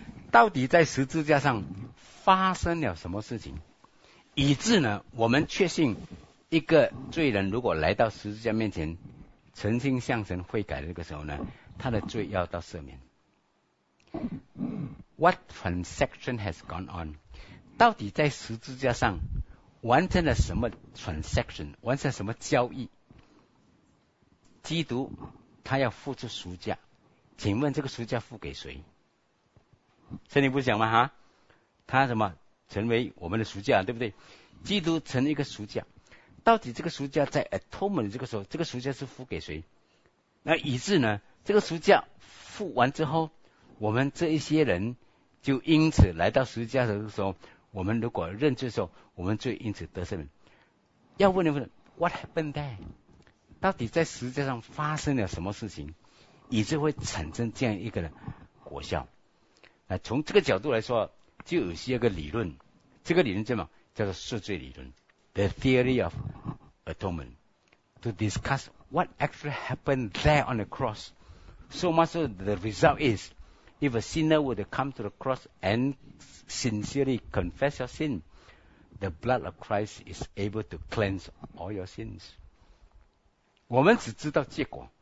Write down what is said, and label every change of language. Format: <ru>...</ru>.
<zh>到底在十字架上发生了什么事情，以致呢，我们确信一个罪人如果来到十字架面前，诚心向神悔改的那个时候呢，他的罪要到赦免。</zh> <en>What transaction has gone on？</en> <zh>到底在十字架上完成了什么 transaction， 完成了什么交易？基督他要付出赎价，请问这个赎价付给谁？圣经不是讲吗？他什么成为我们的赎价，对不对？基督成一个赎价，到底这个赎价在 atonement 这个时候，这个赎价是付给谁？那以致呢，这个赎价付完之后，我们这一些人就因此来到十字架的时候，我们如果认罪的时候，我们罪因此得赦免。要问的问</zh> <en>What happened there？</en> <zh>到底在十字架上发生了什么事情，以致会产生这样一个果效？那从这个角度来说，就有些一个理论，这个理论叫什么？叫做赎罪理论</zh> <en>The Theory of Atonement， To discuss what actually happened there on the cross， So much so the result isIf a sinner would come to the cross and sincerely confess your sin, the blood of Christ is able to cleanse all your sins.</en> <zh>我们只知道结果，</zh>